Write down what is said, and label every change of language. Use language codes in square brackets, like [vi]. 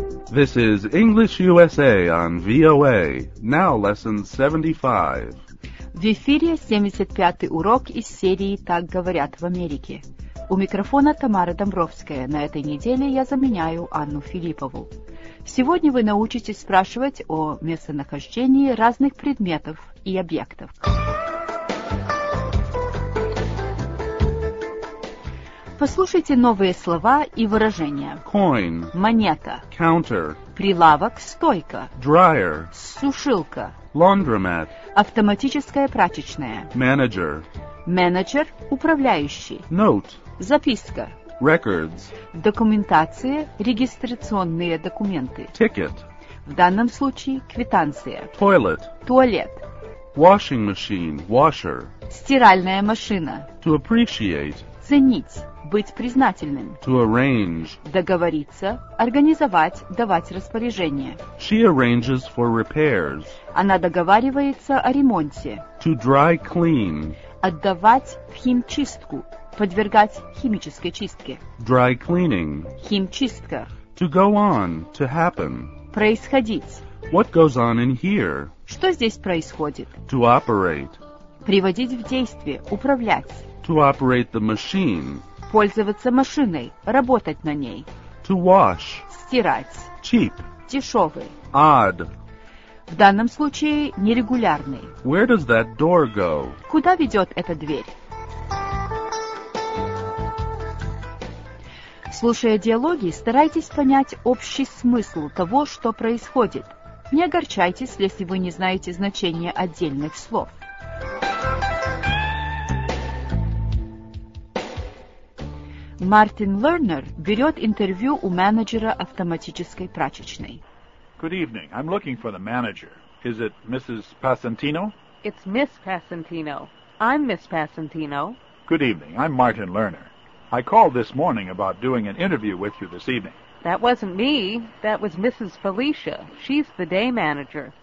[en] This is English USA on VOA. Now lesson 75. [ru] В ефире 75-й урок из серии «Так говорят в Америке». У микрофона Тамара Домбровская. На этой неделе я заменяю Анну Филиппову. Сегодня вы научитесь спрашивать о местонахождении разных предметов и объектов. Послушайте новые слова и выражения. [en] Coin. [ru] Монета. [en] Counter. [ru] Прилавок, стойка. [en] Dryer. [ru] Сушилка. [en] Laundromat. [ru] Автоматическая прачечная. [en] Manager. [ru] Менеджер, управляющий. [en] Note. [ru] Записка. [en] Records. [ru] Документация, регистрационные документы. [en] Ticket. [ru] В данном случае квитанция. [en] Toilet. [ru] Туалет. [en] Washing machine, washer. [ru] Стиральная машина. [en] To appreciate. [ru] Ценить, быть признательным. [en] To arrange. [ru] Договориться, организовать, давать распоряжение. [en] She arranges for repairs. [ru] Она договаривается о ремонте. [en] To dry clean. [ru] Отдавать в химчистку. Подвергать химической чистке. [en] Dry cleaning. [ru] Химчистка. [en] To go on, to happen. [ru] Происходить. [en] What goes on in here? [ru] Что здесь происходит? [en] To operate. [ru] Приводить в действие, управлять. [en] To operate the machine. [ru] Пользоваться машиной, работать на ней. [en] To wash. [ru] Стирать. [en] Cheap. [ru] Дешевый. [en] Odd. [ru] В данном случае нерегулярный. [en] Where does that door go? [ru] Куда ведет эта дверь? Слушая диалоги, старайтесь понять общий смысл того, что происходит. Не огорчайтесь, если вы не знаете значения отдельных слов. Мартин Лернер берет интервью у менеджера автоматической прачечной. [en] Good evening. I'm looking for the manager. Is it Mrs. Pasantino? It's Miss Pasantino. I'm Miss Pasantino. Good evening. I'm Martin Lerner. I called this morning about doing an interview with you this evening. That wasn't me. That was Mrs. Felicia. She's the day manager.